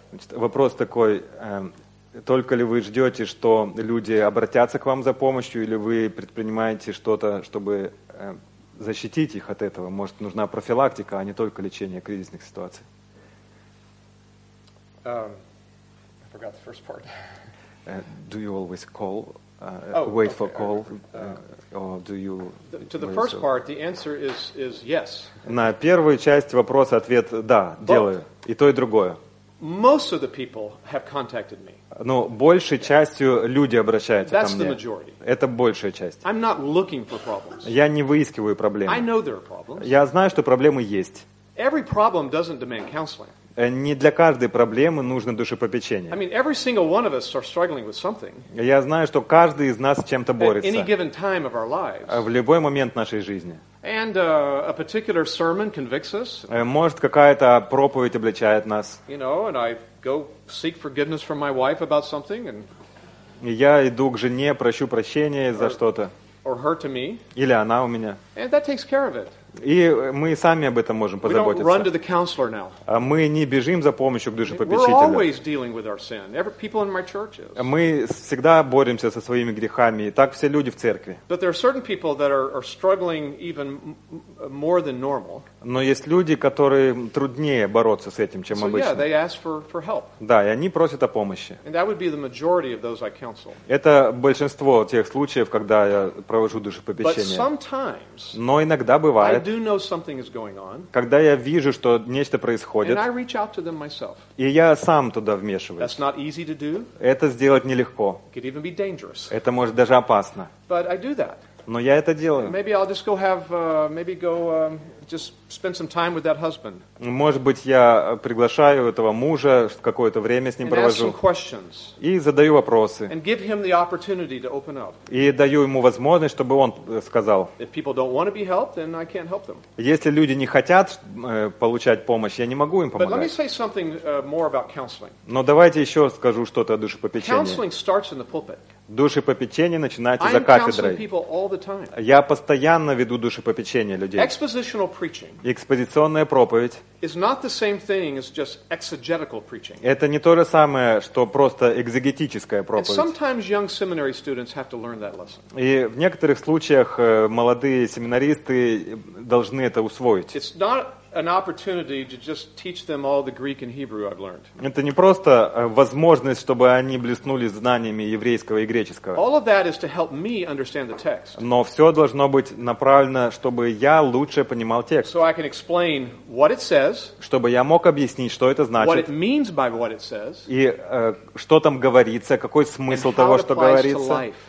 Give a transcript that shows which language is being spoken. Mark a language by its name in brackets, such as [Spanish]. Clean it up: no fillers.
[Russian] Вопрос такой: только ли вы ждете, что люди обратятся к вам за помощью, или вы предпринимаете что-то, чтобы защитить их от этого? Может, нужна профилактика, а не только лечение кризисных ситуаций? [English] I forgot the first part. Do you always call, wait for call, or do you... To the first part, the answer is yes. [Russian] На первую часть вопроса ответ «да», делаю, и то, и другое. [English] Most of the people have contacted me. [Russian] Но большей частью люди обращаются [English] That's [Russian] ко мне. [English] The majority. [Russian] Это большая часть. [English] I'm not looking for problems. [Russian] Я не выискиваю проблемы. [English] I know there are problems. [Russian] Я знаю, что проблемы есть. [English] Every problem doesn't demand counseling. [Russian] Не для каждой проблемы нужно душепопечение. [English] I mean, every single one of us are struggling with something. [Russian] Я знаю, что каждый из нас с чем-то борется. [English] At any given time of our lives. [Russian] В любой момент нашей жизни. [English] And a particular sermon convicts us. [Russian] Может, какая-то проповедь обличает нас. [English] You know, and I go seek forgiveness from my wife about something. And... [Russian] Я иду к жене, прошу прощения за что-то. [English] Or her to me. [Russian] Или она у меня. [English] And that takes care of it. [Russian] И мы сами об этом можем позаботиться. [English] We don't run to the counselor now. [Russian] Мы не бежим за помощью к душепопечителю. [English] We're always dealing with our sin. Every people in my church is. [Russian] Мы всегда боремся со своими грехами, и так все люди в церкви. [English] But there are certain people that are struggling even more than normal. [Russian] Но есть люди, которые труднее бороться с этим, чем [English] so, [Russian] обычно. [English] Yeah, they ask for help. [Russian] Да, и они просят о помощи. [English] And that would be the majority of those I counsel. [Russian] Это большинство тех случаев, когда я провожу душепопечение. [English] But sometimes, [Russian] но иногда бывает. [English] I do know something is going on. [Russian] Когда я вижу, что нечто происходит, [English] and I reach out to them myself. [Russian] И я сам туда вмешиваюсь. [English] That's not easy to do. [Russian] Это сделать нелегко. [English] It could even be dangerous. [Russian] Это может даже опасно. [English] But I do that. [Russian] Но я это делаю. [English] Maybe I'll just go have maybe go just spend some time with that husband. [Russian] Может быть, я приглашаю этого мужа, какое-то время с ним провожу. [English] And ask some questions. [Russian] И задаю вопросы. [English] And give him the opportunity to open up. [Russian] И даю ему возможность, чтобы он сказал. [English] If people don't want to be helped, then I can't help them. [Russian] Если люди не хотят получать помощь, я не могу им помогать. [English] But let me say something more about counseling. [Russian] Но давайте еще скажу что-то о душепопечении. [English] Counseling starts in the pulpit. [Russian] Душепопечение начинается за кафедрой. Я постоянно веду душепопечение людей. [English] Expositional preaching. [Russian] Экспозиционная проповедь. [English] Is not the same thing as just exegetical preaching. [Russian] Это не то же самое, что просто экзегетическая проповедь. [English] And sometimes young seminary students have to learn that lesson. [Russian] И в некоторых случаях молодые семинаристы должны это усвоить. [English] It's not an opportunity to just teach them all the Greek and Hebrew I've learned. [Russian] Это не просто возможность, чтобы они блеснули знаниями еврейского и греческого. [English] All of that is to help me understand the text. [Russian] Но все должно быть направлено, чтобы я лучше понимал текст. [English] So I can explain what it says. [Russian] Чтобы я мог объяснить, что это значит. [English] What it means by what it says. [Russian] И что там говорится, какой смысл того, что говорится.